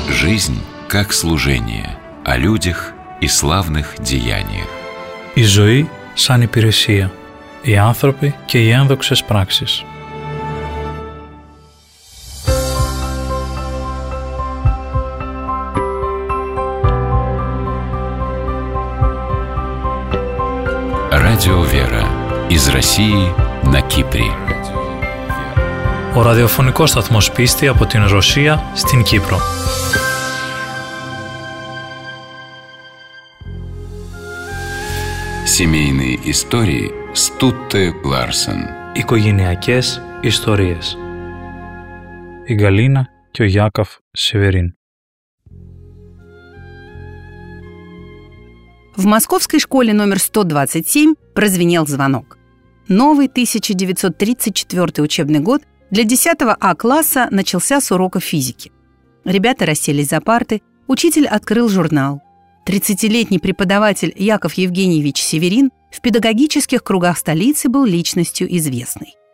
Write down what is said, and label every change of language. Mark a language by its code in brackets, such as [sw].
[ru] Жизнь как служение, о людях и славных деяниях. [el] Η ζωή σαν υπηρεσία, οι άνθρωποι και οι ένδοξες πράξεις. [ru] Радио Вера. Из России на Кипре. [el] Ο ραδιοφωνικός σταθμός πίστη από την Ρωσία στην Κύπρο. [ru] Семейные истории Стутте Ларсен. [el] Οικογενειακές ιστορίες. Η Γκαλίνα και ο Γιάκοφ Σεβερίν. [ru] В московской школе номер 127 прозвенел звонок. Новый 1934 учебный год для 10 А класса начался с урока физики. Ребята расселись за парты, учитель открыл журнал. 30-летний преподаватель Яков Евгеньевич Северин в педагогических кругах столицы был личностью известной.